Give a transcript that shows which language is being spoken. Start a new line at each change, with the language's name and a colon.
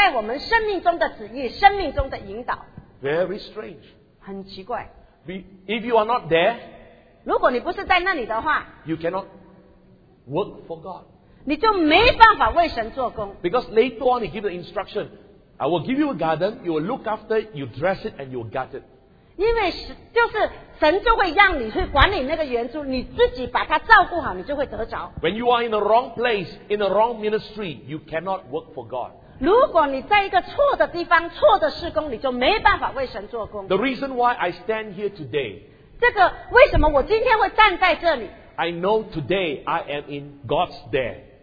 Chinese: 很简单的就是来寻求神在我们生命中的旨意，生命中的引导。
English: Very strange.
Chinese: 很奇怪。
English: If you are not there,
Chinese: 如果你不是在那里的话,
English: you cannot work for God.
Chinese: 你就没办法为神做工。
English: Because later on, He gives the instruction, I will give you a garden, you will look after it, you dress it, and you will gut it.
Chinese: 因为就是神就会让你去管理那个园子, 你自己把它照顾好, 你就会得着。
English: When you are in the wrong place, in the wrong ministry, you cannot work for God.
Chinese: 如果你在一个错的地方, 错的事工, 你就没办法为神做工。
English: The reason why I stand here today,
Chinese: 这个为什么我今天会站在这里,
English: I know today I am in God's there.